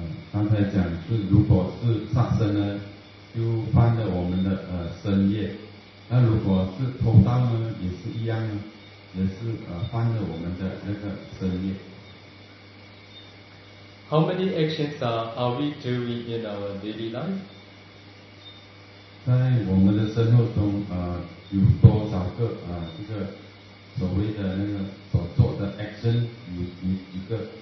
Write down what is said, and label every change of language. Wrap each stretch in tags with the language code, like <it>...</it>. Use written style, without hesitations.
<zh>刚才讲是如果是杀生呢就犯了我们的身业，那如果是偷盗呢，也是一样呢，也是犯了我们的那个身业。</zh> <en>How many actions are we doing in our daily life？</en> <zh>在我们的生活中，有多少个这个所谓的那个所做的 action 有一个？</zh>